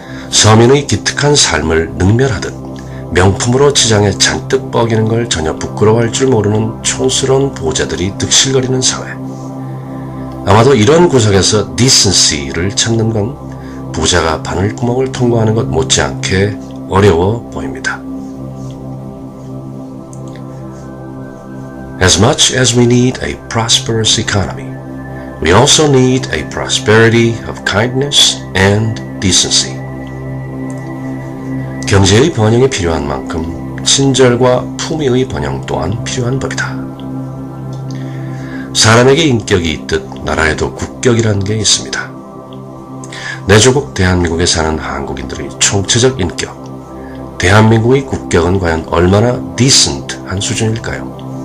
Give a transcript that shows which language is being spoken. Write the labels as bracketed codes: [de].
[ko] 서민의 기특한 삶을 능멸하듯 명품으로 지장에 잔뜩 뻐기는 걸 전혀 부끄러워할 줄 모르는 촌스러운 부자들이 득실거리는 사회. 아마도 이런 구석에서 decency를 찾는 건 부자가 바늘구멍을 통과하는 것 못지않게 어려워 보입니다. [en] As much as we need a prosperous economy, we also need a prosperity of kindness and decency. [ko] 경제의 번영이 필요한 만큼 친절과 품위의 번영 또한 필요한 법이다. 사람에게 인격이 있듯 나라에도 국격이라는 게 있습니다. 내 조국 대한민국에 사는 한국인들의 총체적 인격, 대한민국의 국격은 과연 얼마나 decent 한 수준일까요?